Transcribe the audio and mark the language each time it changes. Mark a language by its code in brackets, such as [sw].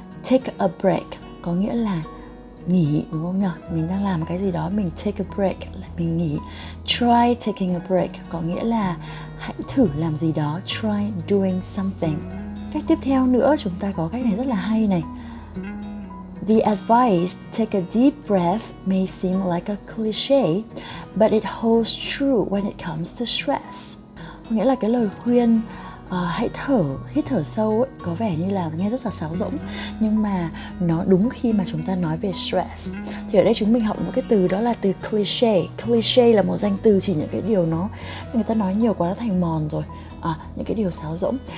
[vi] Take a break có nghĩa là nghỉ, đúng không nhỉ? Mình đang làm cái gì đó, mình take a break là mình nghỉ. [en] Try taking a break [vi] có nghĩa là hãy thử làm gì đó, [en] try doing something. [vi] Cách tiếp theo nữa, chúng ta có cách này rất là hay này. [en] The advice take a deep breath may seem like a cliche, but it holds true when it comes to stress. [vi] Có nghĩa là cái lời khuyên hãy thở, hít thở sâu ấy, có vẻ như là nghe rất là sáo rỗng, nhưng mà nó đúng khi mà chúng ta nói về stress. Thì ở đây chúng mình học một cái từ, đó là từ cliché. Cliché là một danh từ chỉ những cái điều nó người ta nói nhiều quá, nó thành mòn rồi, những cái điều sáo rỗng.